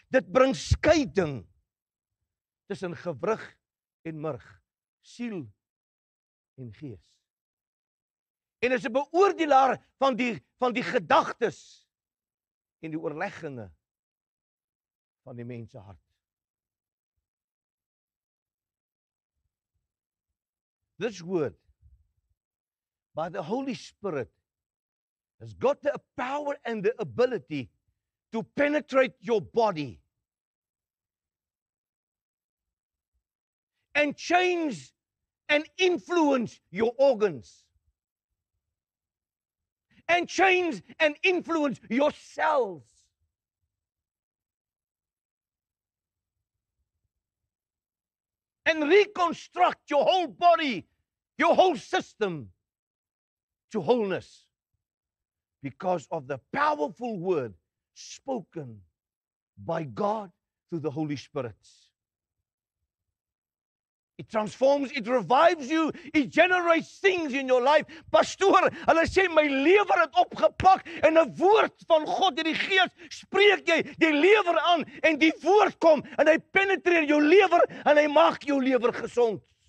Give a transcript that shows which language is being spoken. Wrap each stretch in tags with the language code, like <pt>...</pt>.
<af>Dit bring skeiding tussen gewrig en murg, siel en gees. En is 'n beoordelaar van die gedagtes en die oorlegginge van die mens se hart.</af> <en>This word by the Holy Spirit has got the power and the ability to penetrate your body and change and influence your organs and change and influence your cells. And reconstruct your whole body, your whole system to wholeness because of the powerful word spoken by God through the Holy Spirit. It transforms, it revives you, it generates things in your life.</en> <af>Pastoor, hulle sê my lewer het opgepak en 'n woord van God in die gees spreek jy die lewer aan en die woord kom en hy penetreer jou lewer en hy maak jou lewer gesond.</af>